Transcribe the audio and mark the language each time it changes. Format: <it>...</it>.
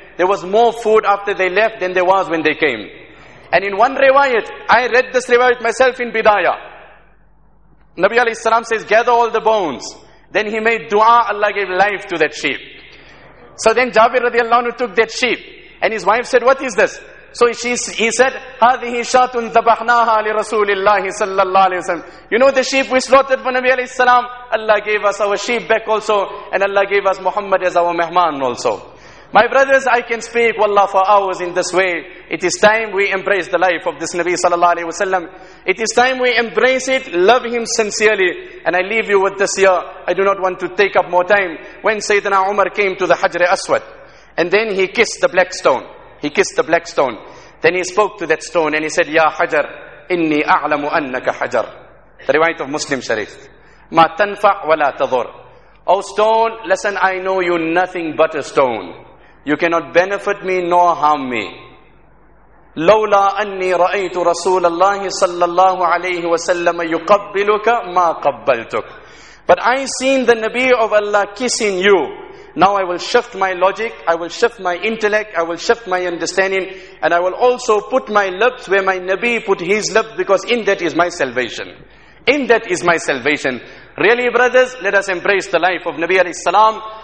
<en>There was more food after they left than there was when they came. And in one riwayat, I read this riwayat myself in Bidayah. Nabi alayhi salam says, gather all the bones. Then he made dua, Allah gave life to that sheep. So then Jabir radiallahu anhu took that sheep. And his wife said, what is this? So he said,</en> <ar>هَذِهِ شَاتٌ ذَبَحْنَاهَا لِرَسُولِ اللَّهِ صَلَّى اللَّهُ عَلَيْهِ وَسَلَّمُ.</ar> <en>You know the sheep we slaughtered for Nabi alayhi salam? Allah gave us our sheep back also. And Allah gave us Muhammad as our mehman also. My brothers, I can speak, wallah, for hours in this way. It is time we embrace the life of this Nabi sallallahu alayhi wa sallam. It is time we embrace it, love him sincerely. And I leave you with this here. I do not want to take up more time. When Sayyidina Umar came to the Hajr Aswad, and then he kissed the black stone. He kissed the black stone. Then he spoke to that stone and he said,</en> <ar>Ya Hajar, inni a'lamu annaka Hajar.</ar> <en>The riwayat of Muslim Sharif.</en> <ar>Ma tanfa' wa la tadur.</ar> <en>O stone, listen, I know you nothing but a stone. You cannot benefit me nor harm me.</en> <ar>لولا أني رأيت رسول الله صلى الله عليه وسلم يقبلك ما قبلتك.</ar> <en>But I seen the Nabi of Allah kissing you. Now I will shift my logic, I will shift my intellect, I will shift my understanding, and I will also put my lips where my Nabi put his lips, because in that is my salvation. In that is my salvation. Really, brothers, let us embrace the life of Nabi alayhi salam.</en>